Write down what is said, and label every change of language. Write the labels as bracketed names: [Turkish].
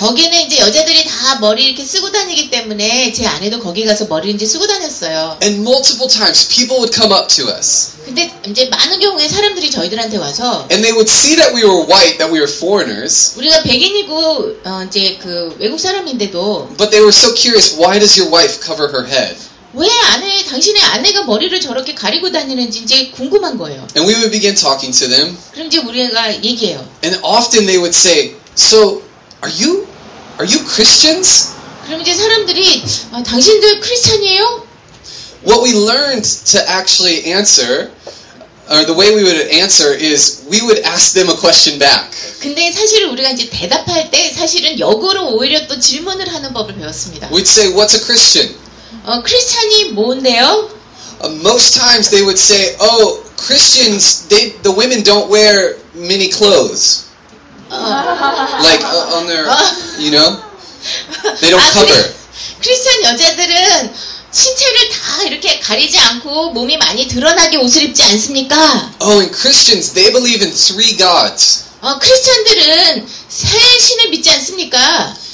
[Korean] 거기는 이제 여자들이 다 머리 이렇게 쓰고 다니기 때문에 제 아내도 거기 가서 머리 이제 쓰고 다녔어요. [English] And multiple times, people would come up to us. [Korean] 근데 이제 많은 경우에 사람들이 저희들한테 와서 [English] And they would see that we were white, that we were foreigners. [Korean] 우리가 백인이고 이제 그 외국 사람인데도 [English] But they were so curious, why does your wife cover her head? [Korean] 왜 아내, 당신의 아내가 머리를 저렇게 가리고 다니는지 이제 궁금한 거예요. [English] And we would begin talking to them. [Korean] 그럼 이제 우리가 얘기해요. [English] And often they would say, "So, are you Christians?" [Korean] 그럼 이제 사람들이 당신들 크리스천이에요? [English] What we learned to actually answer, or the way we would answer is we would ask them a question back. [Korean] 근데 사실 우리가 이제 대답할 때 사실은 역으로 오히려 또 질문을 하는 법을 배웠습니다. [English] We'd say, "What's a Christian?" [Korean] 크리스찬이 뭔데요? [English] Most times they would say, "Oh, Christians, the women don't wear many clothes." Like on their, you know? They don't cover. [Korean] 크리스찬 여자들은 신체를 다 이렇게 가리지 않고 몸이 많이 드러나게 옷을 입지 않습니까? [English] Oh, and Christians, they believe in three gods. [Korean] 크리스찬들은 세 신을 믿지 않습니까?